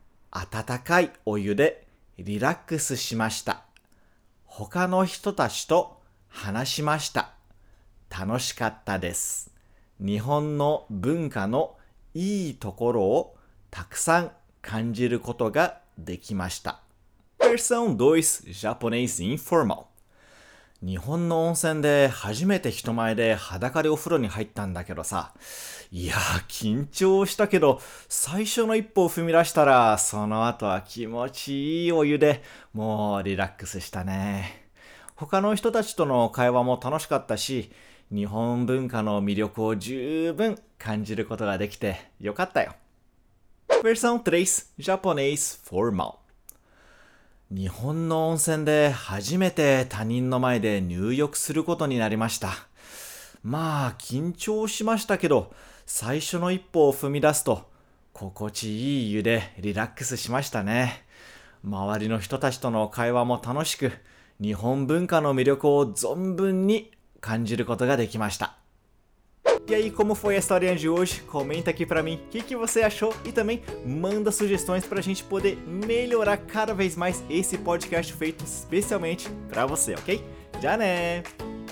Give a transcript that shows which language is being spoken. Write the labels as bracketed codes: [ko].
[ja] 温かいお湯でリラックスしました。他の人たちと話しました。楽しかったです。日本の文化のいいところをたくさん感じることができました。 [pt] Versão 2, [en] Japanese informal. [ja] 日本の温泉で初めて人前で裸でお風呂に入ったんだけどさ。いやー緊張したけど、最初の一歩を踏み出したら、その後は気持ちいいお湯で、もうリラックスしたね。他の人たちとの会話も楽しかったし、日本文化の魅力を十分感じることができてよかったよ。 [pt] Versão 3, [en] Japanese formal. [ja] 日本の温泉で初めて他人の前で入浴することになりました。まあ緊張しましたけど、最初の一歩を踏み出すと心地いい湯でリラックスしましたね。周りの人たちとの会話も楽しく、日本文化の魅力を存分に感じることができました。 [pt] E aí, como foi a historinha de hoje? Comenta aqui pra mim o que, que você achou e também manda sugestões pra gente poder melhorar cada vez mais esse podcast feito especialmente pra você, ok? Já né!